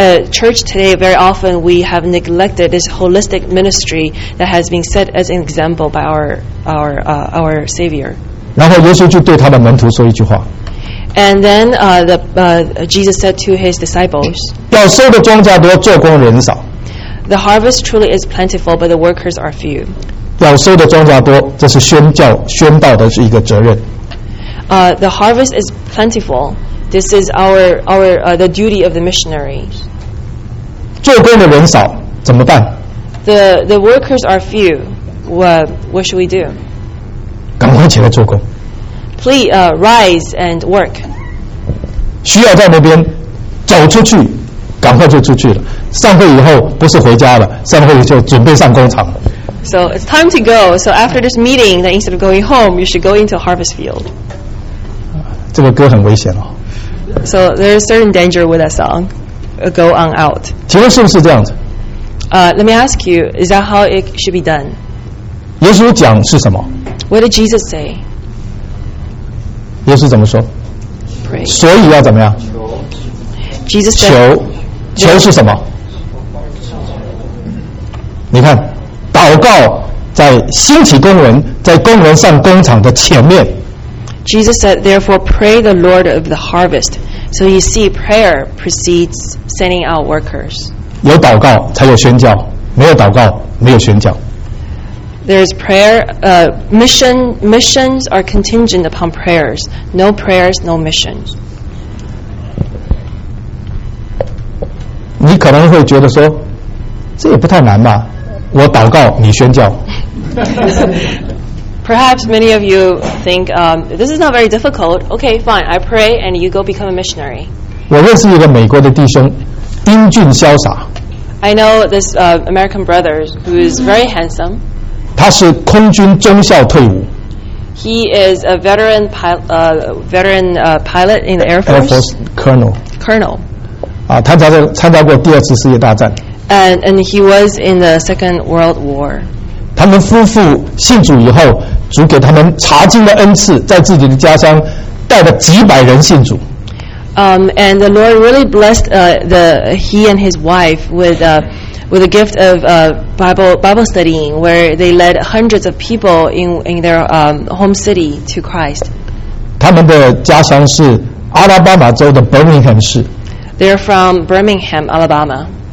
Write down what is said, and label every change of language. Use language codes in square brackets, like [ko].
[en] Church today, very often we have neglected this holistic ministry that has been set as an example by our Savior. [zh] 然后耶稣就对他的门徒说一句话。 [en] And then Jesus said to his disciples, [zh] 要收的庄稼多，做工人少。 [en] The harvest truly is plentiful, but the workers are few. [zh] 要收的庄稼多，这是宣教宣道的一个责任。 [en] The harvest is plentiful. This is the duty of the missionaries. [zh] 做工的人少，怎么办？ [en] The workers are few. What should we do? [zh] 赶快起来做工。 [en] Please, rise and work. [zh] 需要在那边走出去，赶快就出去了。散会以后不是回家了，散会就准备上工厂。 [en] So it's time to go. So after this meeting, then instead of going home, you should go into a harvest field. [zh] 这个歌很危险哦。 [en] So there is certain danger with that song, Go On Out. [zh] 请问是不是这样子？ [en] Let me ask you, is that how it should be done? [zh] 耶稣讲是什么？ [en] What did Jesus say? [zh] 耶稣怎么说？ [en] Pray. [zh] 所以要怎么样？ [en] Jesus said, [zh] 求，求是什么？Yeah. 你看，祷告在兴起工人，在工人上工厂的前面。 [en] Jesus said, therefore pray the Lord of the harvest. So you see, prayer precedes sending out workers. [zh] 有祷告才有宣教，没有祷告没有宣教。 [en] There's prayer, missions are contingent upon prayers. No prayers, no missions. [zh] 你可能会觉得说，这也不太难吧？我祷告，你宣教。 [en] Perhaps many of you think, this is not very difficult. Okay, fine, I pray and you go become a missionary. [zh] 我认识一个美国的弟兄，英俊潇洒。 [en] I know this American brother who is very handsome. [zh] 他是空军中校退伍。 [en] He is a veteran pilot in the Air Force. Air Force Colonel. Colonel. [zh] 啊，他参加过第二次世界大战。 [en] And he was in the Second World War. [zh] 他们夫妇信主以后，主给他们查经的恩赐，在自己的家乡带了几百人信主。 [en] And the Lord really blessed he and his wife with a gift of Bible studying, where they led hundreds of people in their home city to Christ. [zh] 他们的家乡是阿拉巴马州的 Birmingham 市。 [en] They're from Birmingham, Alabama.